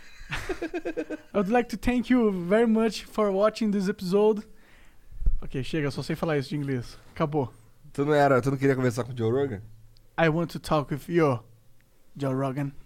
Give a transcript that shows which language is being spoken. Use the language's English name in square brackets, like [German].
[English] I would like to thank you very much for watching this episode. [Portuguese] Ok, chega, só sei falar isso de inglês. Acabou. Tu não queria conversar com o Joe Rogan? [English] I want to talk with you, Joe Rogan.